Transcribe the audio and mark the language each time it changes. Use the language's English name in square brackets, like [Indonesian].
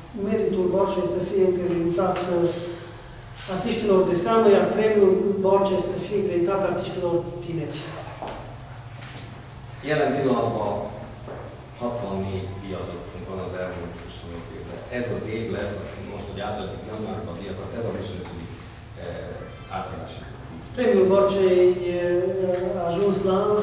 [Romanian] Meritul Barcsei să fie încredințat artiștilor de seamă, iar premiul Barcsei să fie încredințat artiștilor tineri. [Hungarian] Jelen pillanatban 64 diadatunk van az elmúlt 25 évben. Ez az év lesz, most, hogy átadjuk januárban a diadat, ez a 25. Általános év. [Romanian] Premiul Barcsei a ajuns la